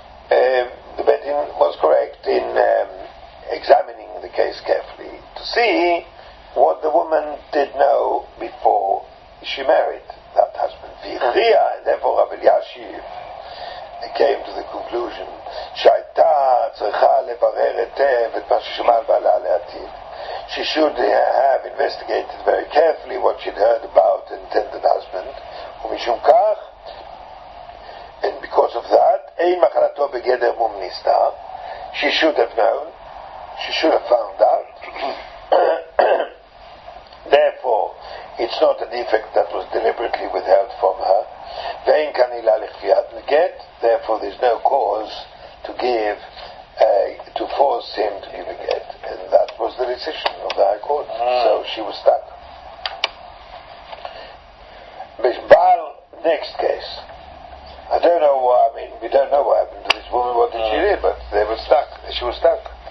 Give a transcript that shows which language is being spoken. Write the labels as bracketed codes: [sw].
[en] The Bedin was correct in examining the case carefully to see what the woman did know before she married that husband. Vihriya, and therefore Rav Eliashiv came to the conclusion. [he] שהייתה צריכה לברר היטב את מה ששמע בעלה לעתיד. [en] She should have investigated very carefully what she'd heard about an intended husband. [he] ומשום כך, [en] and because of that, [he] אין מחלתו בגדר מום נסתר. [en] She should have known. She should have found out. Therefore, it's not a defect that was deliberately withheld from her. [he] ואין כאן עילה לכפיית נגט. [en] Therefore, there's no cause to give, to force him to give a get. And that was the decision of the High Court. So she was stuck. Bishbal, next case. I don't know why, we don't know what happened to this woman, what did she do, but they were stuck. She was stuck.